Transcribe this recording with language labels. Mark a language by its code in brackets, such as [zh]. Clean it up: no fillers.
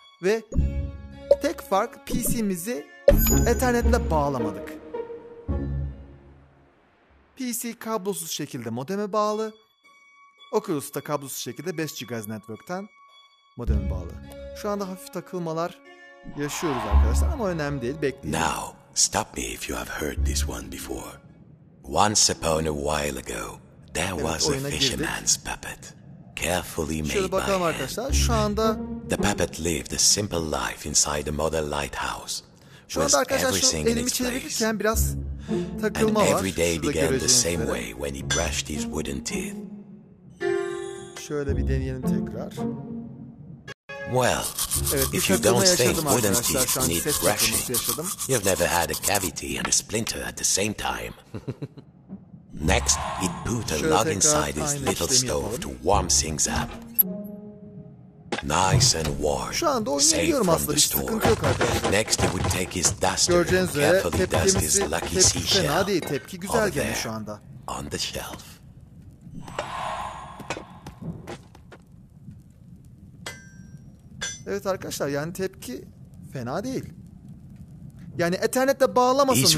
[tr] Ve tek fark, PC'mizi Ethernet'le bağlamadık. PC kablosuz şekilde modeme bağlı. Oculus da kablosuz şekilde 5 GHz network'ten modeme bağlı. Şu anda hafif takılmalar yaşıyoruz arkadaşlar ama önemli değil, bekleyin. [en] Now, stop me if you have heard this one before. Once upon a while ago, there was a fisherman's puppet. Carefully made by hand. The puppet lived a simple life inside a model lighthouse. [tr] Şu anda arkadaşlar şu elimi çevirirken biraz takılma [en] and [tr] var. [en] Every day began the same way when he brushed his wooden teeth. [tr] Şöyle bir deneyelim tekrar. [en] Well, evet, if you don't think wooden teeth need brushing, you've never had a cavity and a splinter at the same time. Next, it put a log inside his little stove to warm things up. Nice and warm. [tr] Şu anda oyunu biliyorum aslında, bir sıkıntı yok arkadaşlar. [en] Next, he would take his duster and carefully dust his lucky seashell. [tr] Fena değil, tepki güzel geldi şu anda. [en] On the shelf. [tr] Evet arkadaşlar, yani tepki fena değil. Yani Ethernet'le bağlamasanız da...